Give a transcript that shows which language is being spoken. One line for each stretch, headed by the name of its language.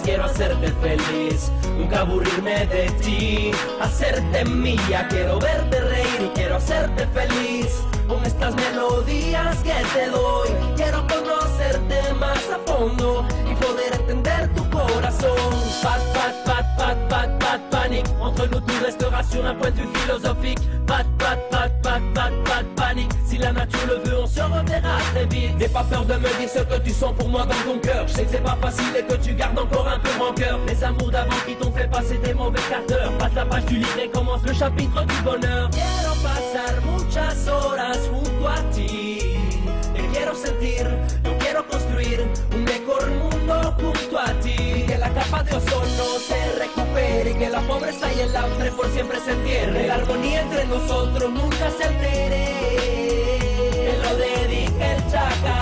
Spanish: Quiero hacerte feliz, nunca aburrirme de ti, hacerte mía. Quiero verte reír y quiero hacerte feliz con estas melodías que te doy. Quiero conocerte más a fondo y poder entender tu corazón. Pat, pat, pat, pat, pat, pat, panic.
French: Entre nous tout restera sur un point de vue philosophique. Pat, pat, pat, pat, pat, pat, panic. Si la nature le veut, on se reverra très vite. N'aie pas peur de me dire ce que tu sens pour moi dans ton cœur. Je sais que c'est pas facile et que tu gardes encore un peu rancœur. Les amours d'avant qui t'ont fait passer des mauvais quarts d'heure. Passe la page du livre et commence le chapitre du bonheur.
Spanish: Quiero pasar muchas horas junto a ti. Te quiero sentir, yo quiero construir un mejor mundo junto a ti. Que la capa de ozono se recupere, que la pobreza y el hambre por siempre se entierre. La armonía entre nosotros nunca se altere. Te lo dedica el chaca.